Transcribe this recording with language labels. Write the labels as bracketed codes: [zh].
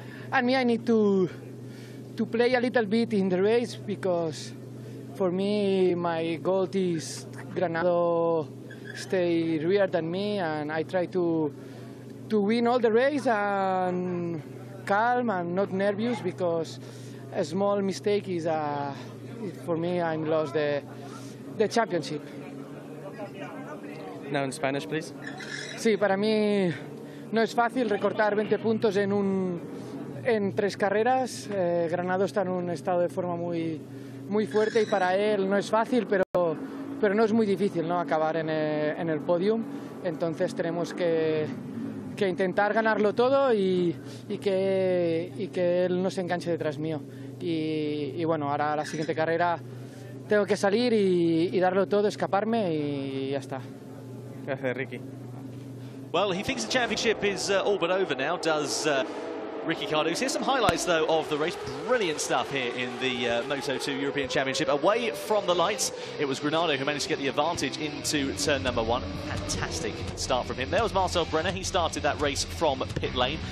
[en] And me, I need to play a little bit in the race, because for me my goal is Granado stay rear than me, and I try to win all the race and calm and not nervous, because a small mistake is for me I'm lost the championship. Now in Spanish, please. [es] Sí, para mí no es fácil recortar 20 puntos en tres carreras. Granado está en un estado de forma muy, muy fuerte y para él no es fácil, pero no es muy difícil, ¿no? Acabar en el podium. Entonces tenemos que intentar ganarlo todo y que él no se enganche detrás mío. Y bueno, ahora la siguiente carrera tengo que salir y darlo todo, escaparme y ya está. [en] Ricky. Well, he thinks the championship is all but over now, does Ricky Cardus. Here's some highlights, though, of the race. Brilliant stuff here in the Moto2 European Championship. Away from the lights, it was Granado who managed to get the advantage into turn number one. Fantastic start from him. There was Marcel Brenner. He started that race from pit lane.